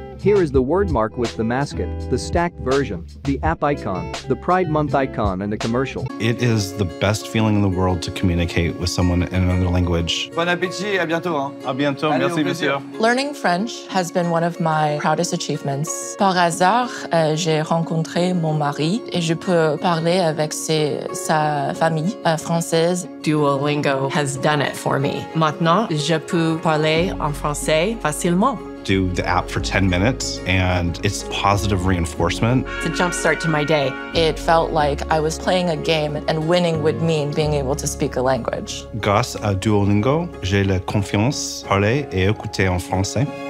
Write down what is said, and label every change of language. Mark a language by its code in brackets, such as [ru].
[en] Here is the word mark with the mascot, the stacked version, the app icon, the Pride Month icon and the commercial. It is the best feeling in the world to communicate with someone in another language. [fr] Bon appétit, à bientôt. À bientôt, allez, merci monsieur. [en] Learning French has been one of my proudest achievements. [fr] Par hasard, j'ai rencontré mon mari et je peux parler avec sa famille française. [en] Duolingo has done it for me. [fr] Maintenant, je peux parler en français facilement. [en] Do the app for 10 minutes and it's positive reinforcement. It's a jump start to my day. It felt like I was playing a game and winning would mean being able to speak a language. [fr] Grâce à Duolingo, j'ai la confiance parler et écouter en français.